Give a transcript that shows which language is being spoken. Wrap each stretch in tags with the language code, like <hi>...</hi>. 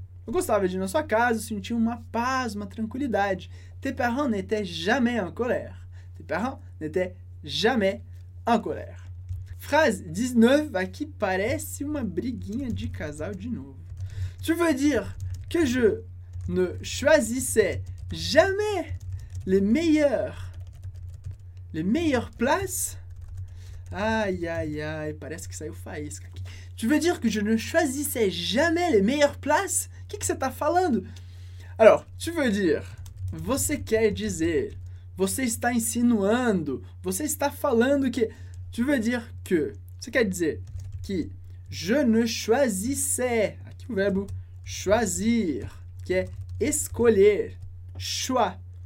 <pt>Eu gostava de ir na sua casa, sentia uma paz, uma tranquilidade.</pt> <fr>Tes parents n'étaient jamais en colère. Tes parents n'était jamais en colère.</fr> <pt>Phrase 19, aqui parece uma briguinha de casal de novo.</pt> <fr>Tu veux dire que je ne choisissais jamais les meilleures places?</fr> <pt>Aïe, aïe, aïe, parece que saiu faísca aqui.</pt> <fr>Tu veux dire que je ne choisissais jamais les meilleures places?</fr> <pt>O que você tá falando?</pt> <fr>Alors, tu veux dire,</fr> <pt>você quer dizer... Você está insinuando, você está falando que...</pt> <fr>Tu veux dire que...</fr> <pt>Você quer dizer que...</pt> <fr>Je ne choisissais...</fr> <pt>Aqui o verbo choisir, que é escolher. Choix.</pt>